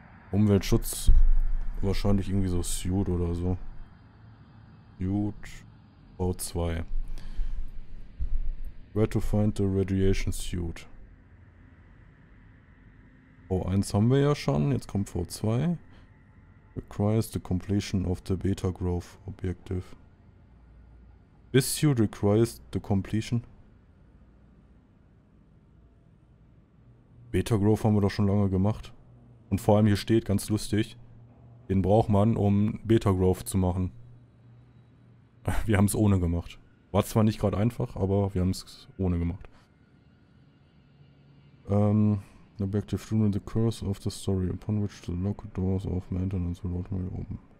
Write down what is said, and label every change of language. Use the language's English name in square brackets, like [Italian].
[German] Umweltschutz, wahrscheinlich irgendwie so Suit oder so. Suit, O2. [English] Where to find the radiation suit? [German] O1 haben wir ja schon, jetzt kommt O2. [English] Requires the completion of the beta growth objective. This suit requires the completion. [German] Beta Growth haben wir doch schon lange gemacht. Und vor allem hier steht, ganz lustig, den braucht man, um Beta Growth zu machen. Wir haben es ohne gemacht. War zwar nicht gerade einfach, aber wir haben es ohne gemacht. [English] Objective room in the curse of the story, upon which the locked doors of maintenance will automatically open.